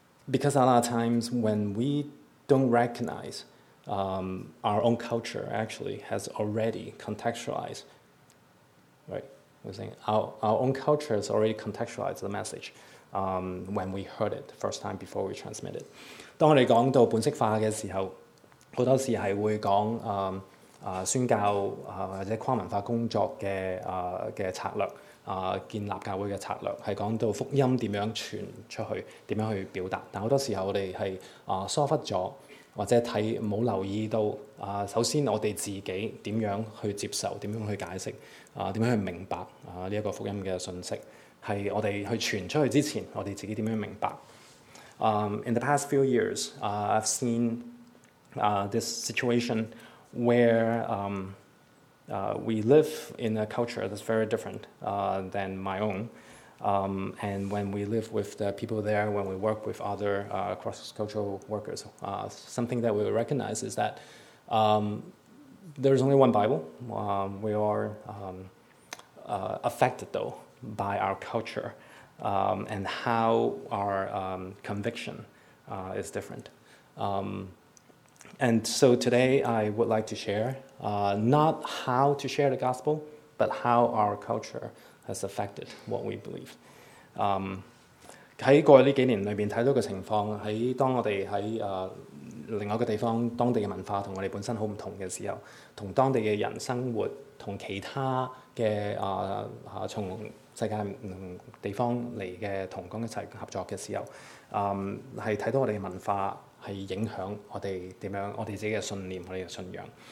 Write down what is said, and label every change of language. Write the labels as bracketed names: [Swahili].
[English] Because a lot of times when we don't recognize our own culture actually has already contextualized, right? We're saying our own culture has already contextualized the message when we heard it first time before we transmit it. [Chinese] 當我們講到本色化的時候，很多時候會講宣教或者跨文化工作 的策略，建立教會的策略，是講到福音怎樣傳出去，怎樣去表達。但很多時候我們是疏忽了，或者沒有留意到首先我們自己怎樣去接受，怎樣去解釋，怎樣去明白這個福音的信息，是我們去傳出去之前我們自己怎樣明白。 [English] In the past few years, I've seen this situation where we live in a culture that's very different than my own. And when we live with the people there, when we work with other cross-cultural workers, something that we recognize is that there's only one Bible. We are affected, though, by our culture. And how our conviction is different. And so today I would like to share not how to share the gospel, but how our culture has affected what we believe. [Chinese] 在過去這幾年裡面看到的情況，在當我們在另外一個地方，當地的文化和我們本身很不同的時候，和當地的人生活，和其他的從世界不同地方來的同工一起合作的時候，是看到我們的文化是影響我們怎樣，我們自己的信念，我們的信仰。